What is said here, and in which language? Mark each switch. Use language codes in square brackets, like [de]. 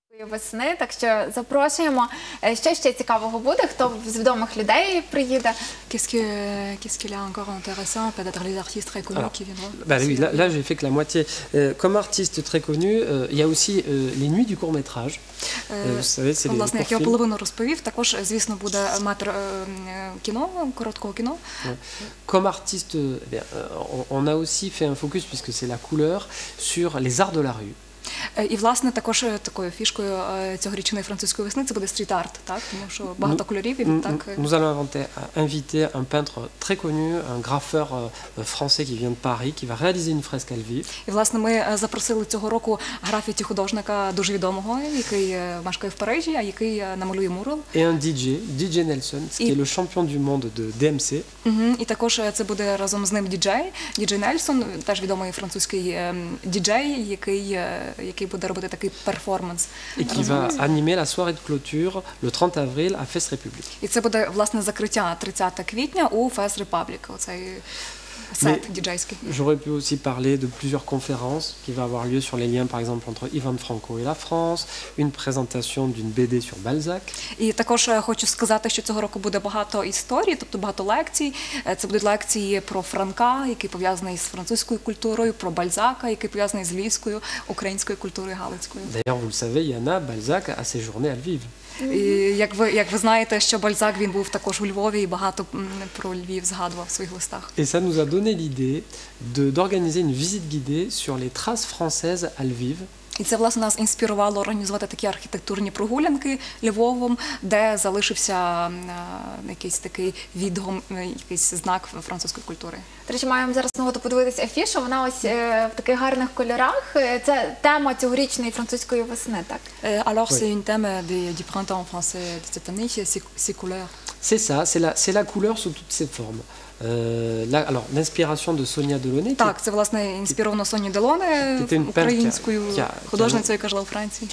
[uk] весни, так що запрошуємо. Що ще цікавого буде? Хто з відомих людей приїде? [fr] Qu'est-ce qu'il y a encore intéressant peut-être les artistes très connus qui viendront? Bah oui, là j'ai fait que la moitié. Comme artiste très connu, il y a aussi les nuits du court-métrage. Vous savez, c'est les courts-films. [uk] Я половину розповів, також, звісно, буде матер кіно, короткого кіно. [fr] Comme artiste, on a aussi fait un focus puisque c'est la couleur sur les arts de la rue. [uk] І, власне, також такою фішкою цьогорічної французької весни це буде стріт-арт, так? Тому що багато кольорів і так. [fr] Nous allons inviter un peintre très connu, un graffeur français qui vient de Paris, qui va réaliser une fresque à Lviv. [uk] І, власне, ми запросили цього року графіті-художника дуже відомого, який мешкає в Парижі, а який намалює мурал. [fr] Et un DJ Nelson, qui est le champion du monde de DMC. [uk] І також це буде разом з ним DJ Nelson, теж відомий французький DJ, який буде робити такий перформанс. [fr] І qui va animer la soirée de clôture le 30 avril à Fest Republic. [uk] І це буде власне закриття 30 квітня у Fest Republic, оцей сет діджейський. [fr] J'aurais pu aussi parler de plusieurs conférences qui va avoir lieu sur les liens par exemple entre Ivan Franko et la France, une présentation d'une BD sur Balzac. [uk] І також хочу сказати, що цього року буде багато історій, тобто багато лекцій. Це будуть лекції про Франка, який пов'язаний з французькою культурою, про Бальзака, який пов'язаний з львівською, українською культурою, галицькою. [fr] D'ailleurs, vous le savez, il y en a Balzac a séjourné à Lviv. [uk] І як ви знаєте, що Бальзак він був також у Львові і багато про Львів згадував в своїх листах. [fr] Et ça nous a donné l'idée d'organiser une visite guidée sur les traces françaises à Lviv. [uk] І це, власне, нас інспірувало організувати такі архітектурні прогулянки Львовом, де залишився якийсь такий відгом, якийсь знак французької культури. До речі, маємо зараз нагоду подивитися афішу, вона ось в таких гарних кольорах. Це тема цьогорічної французької весни, так? [fr] Alors, c'est une thème du printemps français de cette année, ces couleurs. C'est ça, c'est la couleur sous toutes ses formes. Alors l'inspiration de Sonia Delaunay. [uk] Так, це власне інспіровано Соні Делоне, українською художницею, яка жила у Франції.